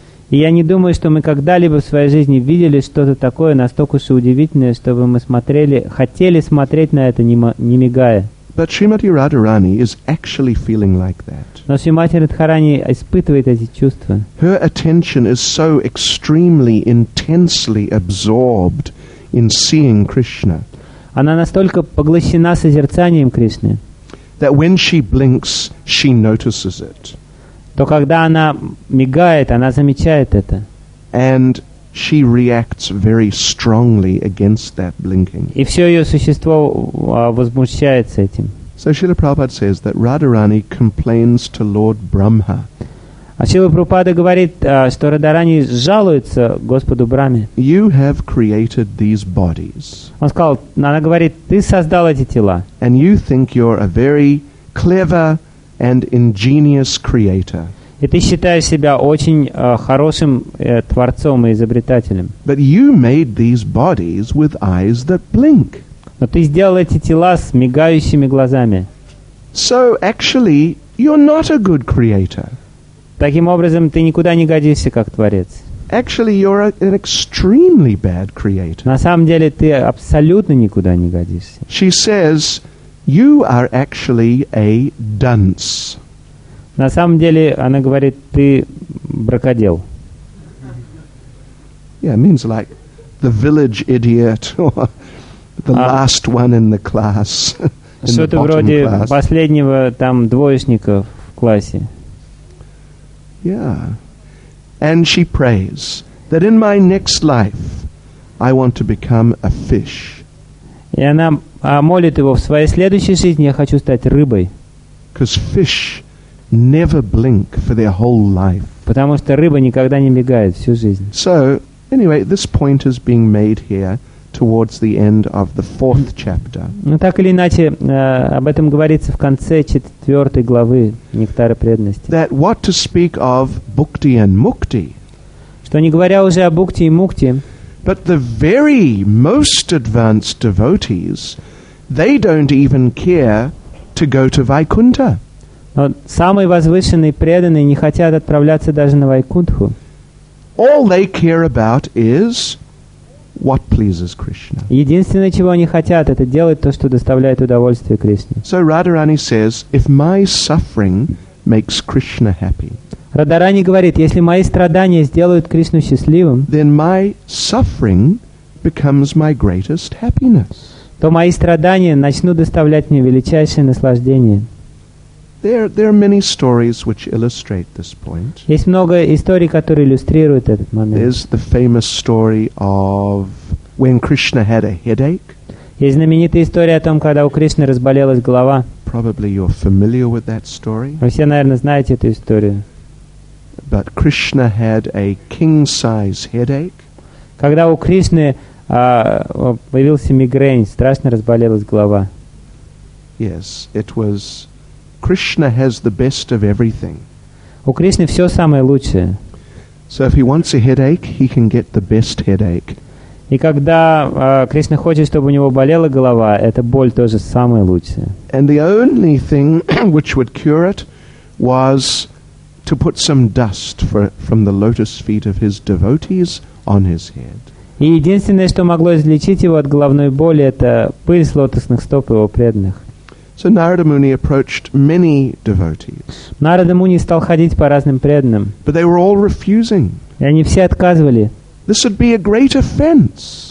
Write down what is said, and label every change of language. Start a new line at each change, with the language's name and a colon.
Russian: И я не думаю, что мы когда-либо в своей жизни видели что-то такое настолько же удивительное, чтобы мы смотрели, хотели смотреть на это, не мигая.
English: But Srimati Radharani is actually feeling like that.
Russian: Но Шримати Радхарани испытывает эти чувства.
English: Her attention is so extremely intensely absorbed in seeing Krishna.
Russian: Она настолько поглощена созерцанием Кришны.
English: That when she blinks, she notices it.
Russian: То когда она мигает, она замечает это.
English: And she reacts very strongly against that blinking.
Russian: И все ее существо возмущается этим.
English: So Srila Prabhupada says that Radharani complains to Lord Brahma.
Russian: А Шрила Прабхупада говорит, что Радхарани жалуется Господу Брахме.
English: You have created these bodies.
Russian: Он сказал, она говорит, ты создал эти тела.
English: And you think you're a very clever and ingenious creator.
Russian: И ты считаешь себя очень хорошим творцом и изобретателем.
English: But you made these bodies with eyes that blink.
Russian: Но ты сделал эти тела с мигающими глазами.
English: So actually, you're not a good creator.
Russian: Таким образом, ты никуда не годишься как творец.
English: Actually, you're an extremely bad creator.
Russian: На самом деле, ты абсолютно никуда не годишься.
English: She says, you are actually a dunce.
Russian: На самом деле, она говорит, ты бракодел.
English: Yeah, it means like the village idiot or the last one in the class.
Russian: Что-то вроде
English: class.
Russian: Последнего там двоечника в классе. Yeah.
English: And she prays that in my next life I want to become a fish.
Russian: И она молит его, в своей следующей жизни я хочу стать рыбой.
English: Because fish never blink for their whole life.
Russian: Потому что рыба никогда не мигает всю жизнь.
English: So, anyway, this point is being made here towards the end of the fourth chapter.
Russian: Ну, так или иначе, об этом говорится в конце четвертой главы «Нектара преданности».
English: That what to speak of bhukti and mukti.
Russian: Что не говоря уже о бхукти и мукти.
English: But the very most advanced devotees, they don't even care to go to Vaikuntha.
Russian: Но самые возвышенные преданные не хотят отправляться даже на Вайкунтху.
English: All they care about is what pleases Krishna.
Russian: Единственное, чего они хотят, это делать то, что доставляет удовольствие Кришне.
English: So Radharani says, if my suffering makes Krishna happy.
Russian: Радхарани говорит, если мои страдания сделают Кришну счастливым,
English: then my suffering becomes my greatest happiness.
Russian: То мои страдания начнут доставлять мне величайшее наслаждение.
English: There are many stories which illustrate this point.
Russian: Есть много историй, которые иллюстрируют этот момент.
English: There's the famous story of when Krishna had a headache.
Russian: Есть знаменитая история о том, когда у Кришны разболелась голова.
English: Probably you're familiar with that story.
Russian: Вы все, наверное, знаете эту историю.
English: But Krishna had a king-size headache.
Russian: Когда у Кришны появился мигрень, страшно разболелась голова.
English: Yes, it was. Krishna has the best of everything.
Russian: У Кришны все самое лучшее.
English: So if he wants a headache, he can get the best headache.
Russian: И когда Кришна хочет, чтобы у него болела голова, эта боль тоже самая лучшая.
English: And the only thing which would cure it was to put some dust from the lotus feet of his devotees on his head.
Russian: И единственное, что могло излечить его от головной боли, это пыль с лотосных стоп его преданных.
English: So Narada Muni approached many devotees.
Russian: Narada Muni стал ходить по разным преданным.
English: But they were all refusing.
Russian: И они все отказывали.
English: This would be a great offense.